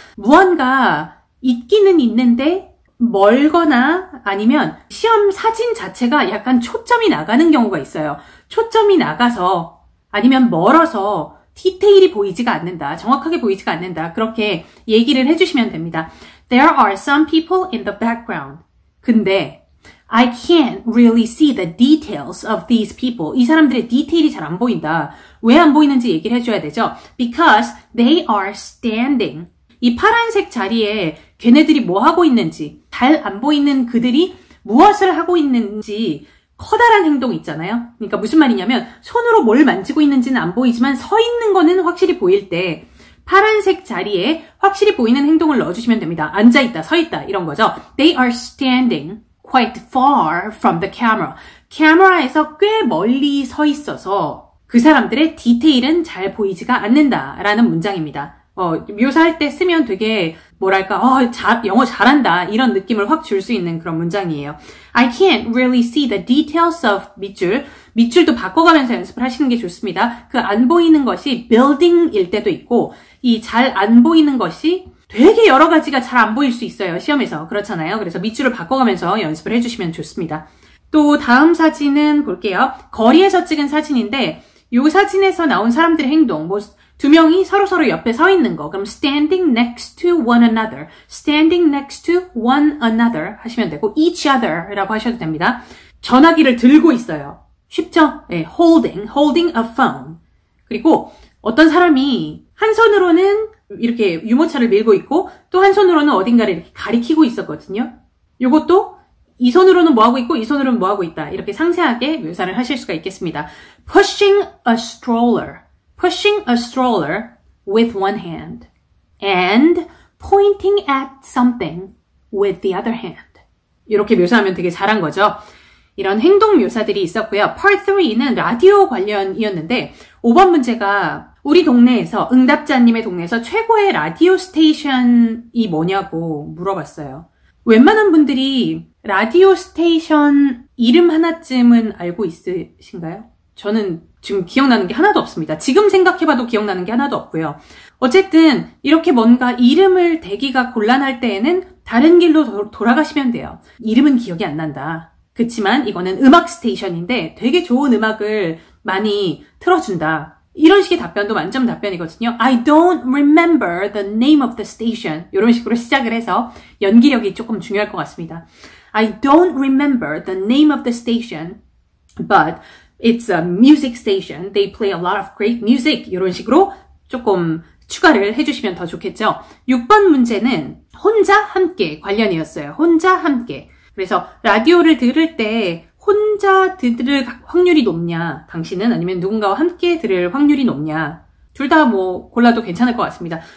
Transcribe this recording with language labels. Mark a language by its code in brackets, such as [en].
[ko] 무언가 있기는 있는데 멀거나 아니면 시험 사진 자체가 약간 초점이 나가는 경우가 있어요. 초점이 나가서 아니면 멀어서 디테일이 보이지가 않는다. 정확하게 보이지가 않는다. 그렇게 얘기를 해주시면 됩니다. [en] there are some people in the background. [ko] 근데 [en] I can't really see the details of these people. [ko] 이 사람들의 디테일이 잘 안 보인다. 왜 안 보이는지 얘기를 해줘야 되죠. [en] Because they are standing. [ko] 이 파란색 자리에 걔네들이 뭐 하고 있는지, 잘 안 보이는 그들이 무엇을 하고 있는지 커다란 행동 있잖아요. 그러니까 무슨 말이냐면 손으로 뭘 만지고 있는지는 안 보이지만 서 있는 거는 확실히 보일 때 파란색 자리에 확실히 보이는 행동을 넣어주시면 됩니다. 앉아있다, 서있다 이런 거죠. [en] They are standing. quite far from the camera. [ko] 카메라에서 꽤 멀리 서 있어서 그 사람들의 디테일은 잘 보이지가 않는다라는 문장입니다. 묘사할 때 쓰면 되게 뭐랄까 영어 잘한다 이런 느낌을 확 줄 수 있는 그런 문장이에요. [en] I can't really see the details of 밑줄. [ko] 밑줄도 바꿔가면서 연습을 하시는 게 좋습니다. 그 안 보이는 것이 building일 때도 있고 이 잘 안 보이는 것이 되게 여러 가지가 잘 안 보일 수 있어요. 시험에서 그렇잖아요. 그래서 밑줄을 바꿔가면서 연습을 해주시면 좋습니다. 또 다음 사진은 볼게요. 거리에서 찍은 사진인데 요 사진에서 나온 사람들의 행동 뭐 두 명이 서로서로 옆에 서 있는 거 그럼 [en] standing next to one another [ko] standing next to one another 하시면 되고 [en] each other [ko] 라고 하셔도 됩니다. 전화기를 들고 있어요. 쉽죠? 네, [en] holding a phone. [ko] 그리고 어떤 사람이 한 손으로는 이렇게 유모차를 밀고 있고 또 한 손으로는 어딘가를 이렇게 가리키고 있었거든요. 이것도 이 손으로는 뭐하고 있고 이 손으로는 뭐하고 있다. 이렇게 상세하게 묘사를 하실 수가 있겠습니다. [en] Pushing a stroller. Pushing a stroller with one hand. And pointing at something with the other hand. [ko] 이렇게 묘사하면 되게 잘한 거죠. 이런 행동 묘사들이 있었고요. Part 3는 라디오 관련이었는데 5번 문제가 우리 동네에서 응답자님의 동네에서 최고의 라디오 스테이션이 뭐냐고 물어봤어요. 웬만한 분들이 라디오 스테이션 이름 하나쯤은 알고 있으신가요? 저는 지금 기억나는 게 하나도 없습니다. 지금 생각해봐도 기억나는 게 하나도 없고요. 어쨌든 이렇게 뭔가 이름을 대기가 곤란할 때에는 다른 길로 돌아가시면 돼요. 이름은 기억이 안 난다. 그렇지만 이거는 음악 스테이션인데 되게 좋은 음악을 많이 틀어준다. 이런 식의 답변도 만점 답변이거든요. [en] I don't remember the name of the station. [ko] 이런 식으로 시작을 해서 연기력이 조금 중요할 것 같습니다. [en] I don't remember the name of the station, but it's a music station. They play a lot of great music. [ko] 이런 식으로 조금 추가를 해주시면 더 좋겠죠. 6번 문제는 혼자 함께 관련이었어요. 혼자 함께. 그래서 라디오를 들을 때 혼자 들을 확률이 높냐? 당신은 아니면 누군가와 함께 들을 확률이 높냐? 둘 다 뭐 골라도 괜찮을 것 같습니다.